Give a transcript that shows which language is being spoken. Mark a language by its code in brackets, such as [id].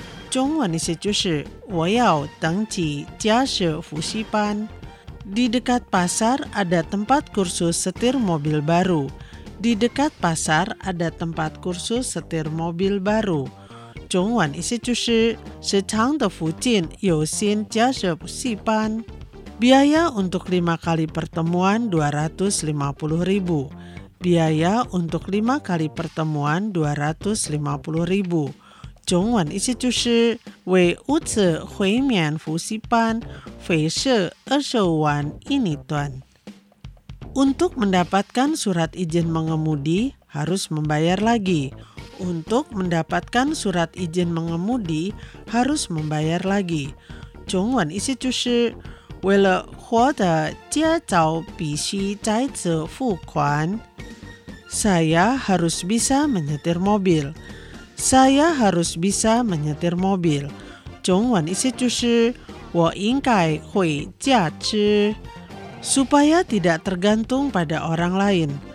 [zh] 中文意思就是我要登记驾驶复习班。 [id] Di dekat pasar ada tempat kursus setir mobil baru。 Di dekat pasar ada tempat kursus setir mobil baru. [zh] 中文意思就是市场的附近有新驾驶补习班。 [id] Biaya untuk 5 kali pertemuan 250 ribu. Biaya untuk 5 kali pertemuan 250 ribu. [zh] 中文意思就是为五次会面补习班费是20万印尼盾。 [id] Untuk mendapatkan surat izin mengemudi, harus membayar lagi. Untuk mendapatkan surat izin mengemudi, harus membayar lagi. [zh] 中文意思就是，为了获得驾照必须再次付款。 [id] Saya harus bisa menyetir mobil. Saya harus bisa menyetir mobil. [zh] 中文意思就是，我应该会驾车。 [id] Supaya tidak tergantung pada orang lain.